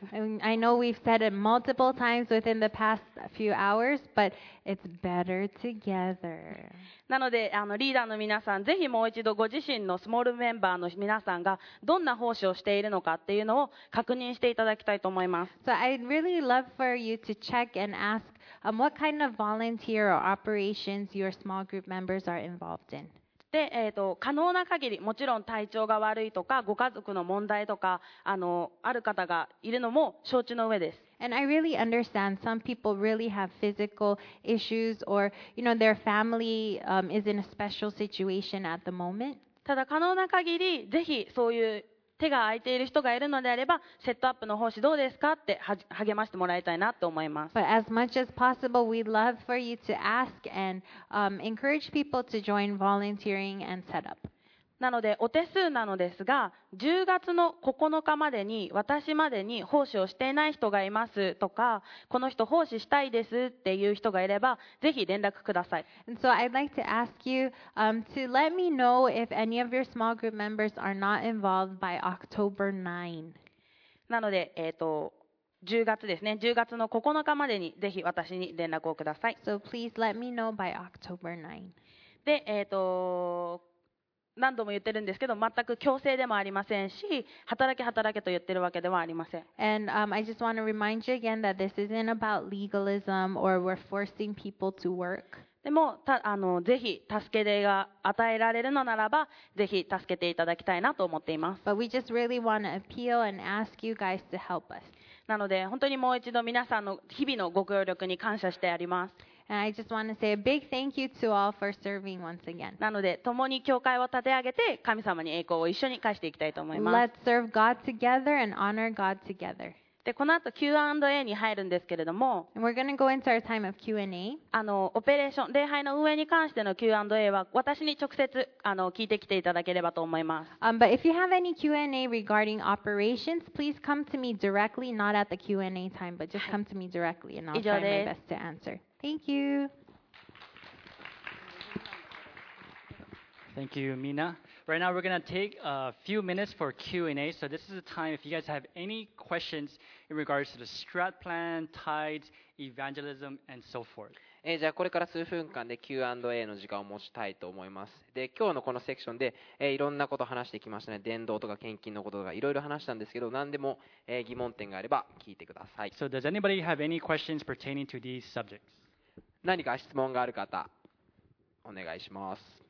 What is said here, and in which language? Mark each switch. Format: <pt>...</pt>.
<en>I know we've said it multiple times within the past few hours, but it's better together.</en> <ja>なので、リーダーの皆さん、ぜひもう一度ご自身のスモールメンバーの皆さんがどんな奉仕をしているのかっていうのを確認していただきたいと思います。</ja> <en>So I'd really love for you to check and ask, what kind of volunteer or operations your small group members are involved in.</en> <ja>で、可能な限りもちろん体調が悪いとかご家族の問題とかある方がいるのも承知の上です。</ja> <en>And I really understand some people really have physical issues or you know their family is in a special situation at the moment.</en> <ja>ただ可能な限りぜひそういう手が空いている人がいるのであればセットアップの奉仕どうですかって励ましてもらいたいなと思います。</ja> <en>But as much as possible, we'd love for you to ask and encourage people to join volunteering and set up.</en> <ja>なのでお手数なのですが、10月の9日までに私までに奉仕をしていない人がいますとか、この人奉仕したいですっていう人がいればぜひ連絡ください。</ja> <en>And so I'd like to ask you to let me know if any of your small group members are not involved by October 9.</en> <ja>なので10月ですね。 10月の9日までにぜひ私に連絡をください。</ja> <en>So please let me know by October 9.</en> <ja>で何度も言ってるんですけど、全く強制でもありませんし、働け働けと言ってるわけではありません。</ja> <en>And I just want to remind you again that this isn't about legalism or we're forcing people to work.</en> <ja>でもぜひ助け手が与えられるのならば、ぜひ助けていただきたいなと思っています。</ja> <en>But we just really want to appeal and ask you guys to help us.</en> <ja>なので本当にもう一度皆さんの日々のご協力に感謝してあります。</ja> <en>And I just want to say a big thank you to all for serving once again.</en> <ja>なので、共に教会を立て上げて、神様に栄光を一緒に返していきたいと思います。</ja> <en>Let's serve God together and honor God together.</en> <ja>で、この後 Q&A に入るんですけれども、</ja> <en>And we're going to go into our time of Q&A.</en> <ja>オペレーション、礼拝の運営に関しての Q&A は、私に直接聞いてきていただければと思います。</ja> <en>But if you have any Q&A regarding operations, please come to me directly, not at the Q&A time, but just come to me directly and I'll try my best to answer. Thank you. Thank you, Mina. Right now, we're going to take a few minutes for Q&A. So this is the time if you guys have any questions in regards to the strat plan, tithes, evangelism, and so forth.</en> <ja>じゃあこれから数分間で Q&A の時間を持ちたいと思います。で、今日のこのセクションで、いろんなことを話してきましたね。伝道とか献金のこととかいろいろ話したんですけど、何でも、疑問点があれば聞いてください。</ja> <en>So does anybody have any questions pertaining to these subjects?</en> <ja>何か質問がある方、お願いします。</ja>